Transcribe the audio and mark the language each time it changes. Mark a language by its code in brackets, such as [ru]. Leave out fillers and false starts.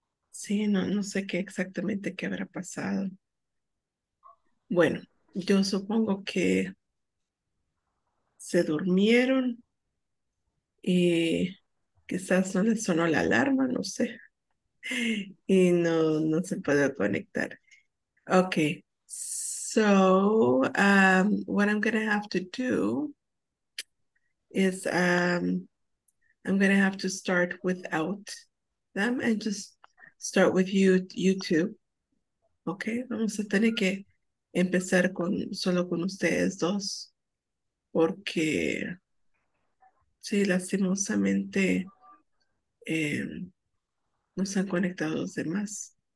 [es] Sí, no sé qué exactamente qué habrá pasado. Bueno, yo supongo que se durmieron y quizás no les sonó la alarma, no sé. Y no se puede conectar. [en] Okay, so what I'm going to have to do is I'm going to have to start without them and just start with you two. [es] Okay, vamos a tener que empezar solo con ustedes dos, porque sí, lastimosamente no se han conectado los demás.